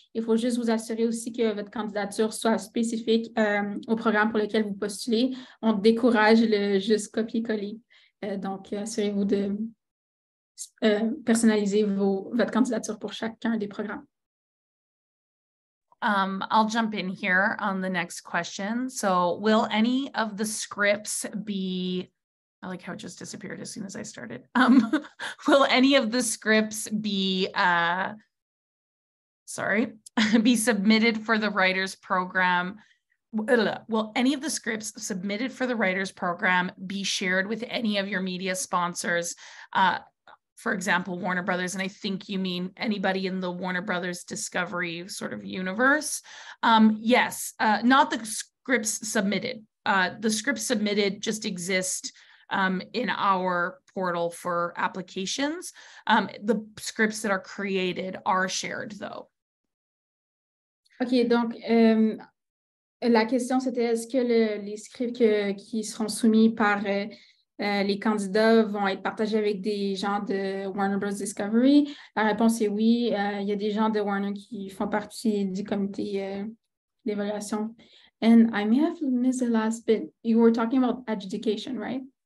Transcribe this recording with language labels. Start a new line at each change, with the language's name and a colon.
French: Il faut juste vous assurer aussi que votre candidature soit spécifique au programme pour lequel vous postulez. On décourage le juste copier-coller. Donc, assurez-vous de personnaliser votre candidature pour chacun des programmes.
English: I'll jump in here on the next question. So, will any of the scripts be... I like how it just disappeared as soon as I started. Will any of the scripts be submitted for the writers program? Will any of the scripts submitted for the writers program be shared with any of your media sponsors? For example, Warner Brothers, and I think you mean anybody in the Warner Brothers Discovery sort of universe. Yes, not the scripts submitted. The scripts submitted just exist in our portal for applications. The scripts that are created are shared, though.
French: OK, donc La question, c'était est-ce que les scripts qui seront soumis par les candidats vont être partagés avec des gens de Warner Bros. Discovery? La réponse est oui. Il y a des gens de Warner qui font partie du comité d'évaluation.
English: And I may have missed the last bit. You were talking about adjudication, right?